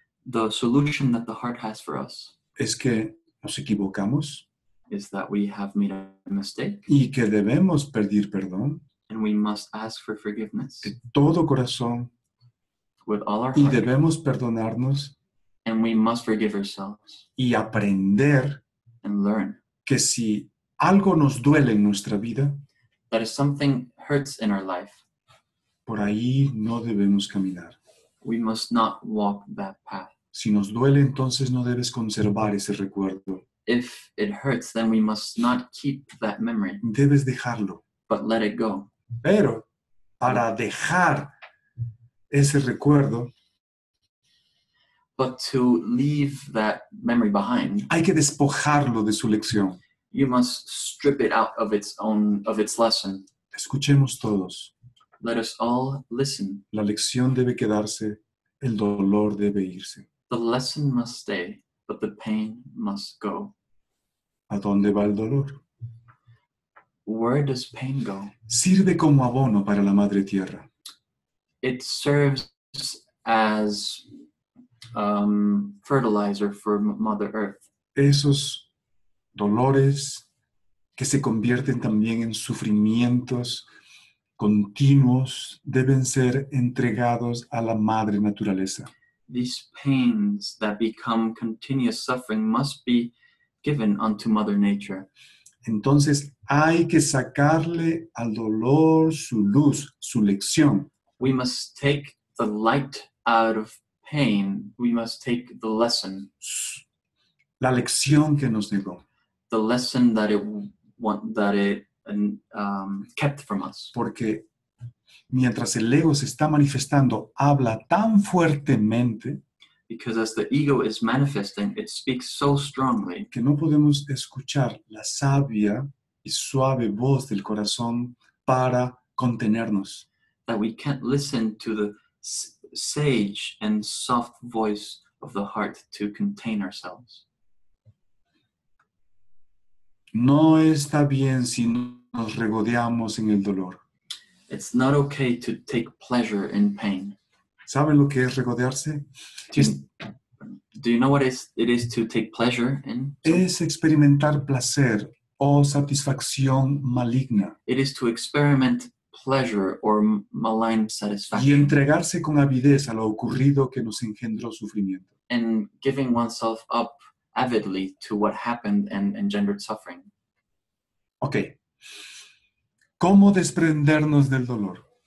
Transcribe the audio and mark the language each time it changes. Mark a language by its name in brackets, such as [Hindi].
[English] The solution that the heart has for us. [Spanish] Es que nos equivocamos. [English] Is that we have made a mistake. [Spanish] Y que debemos pedir perdón. [English] And we must ask for forgiveness. [Spanish] De todo corazón. [English] With all our heart. [Spanish] Y debemos perdonarnos. [English] And we must forgive ourselves. [Spanish] Y aprender. [English] And learn. [Spanish] Que si algo nos duele en nuestra vida. [English] That if something hurts in our life. [Spanish] Por ahí no debemos caminar. [English] We must not walk that path. [Spanish] Si nos duele, entonces no debes conservar ese recuerdo. [English] If it hurts, then we must not keep that memory. [Spanish] Debes dejarlo. [English] But let it go. [Spanish] Pero para dejar ese recuerdo, [English] but to leave that memory behind, [Spanish] hay que despojarlo de su lección. [English] You must strip it out of its own, of its lesson. [Spanish] Escuchemos todos. [English] Let us all listen. [Spanish] La lección debe quedarse, el dolor debe irse. [English] The lesson must stay, but the pain must go. [Spanish] ¿A dónde va el dolor? [English] Where does pain go? [Spanish] Sirve como abono para la madre tierra. [English] It serves as fertilizer for Mother Earth. [Spanish] Esos dolores que se convierten también en sufrimientos continuos deben ser entregados a la madre naturaleza. [English] These pains that become continuous suffering must be given unto Mother Nature. [Spanish] Entonces hay que sacarle al dolor su luz, su lección. [English] We must take the light out of pain. We must take the lesson. [Spanish] La lección que nos negó. [English] The lesson that it kept from us. [Spanish] Porque mientras el ego se está manifestando, habla tan fuertemente. [English] Because as the ego is manifesting, it speaks so strongly. [Spanish] Que no podemos escuchar la sabia y suave voz del corazón para contenernos. [English] That we can't listen to the sage and soft voice of the heart to contain ourselves. [Spanish] No está bien si nos regodeamos en el dolor. [English] It's not okay to take pleasure in pain. [Spanish] ¿Saben lo que es regodearse? [English] Do you know what it is to take pleasure in? [Spanish] Es experimentar placer o satisfacción maligna. [English] It is to experiment pleasure or malign satisfaction. [Spanish] Y entregarse con avidez a lo ocurrido que nos engendró sufrimiento. [English] And giving oneself up avidly to what happened and engendered suffering. Okay. [Spanish] ¿Cómo desprendernos del dolor?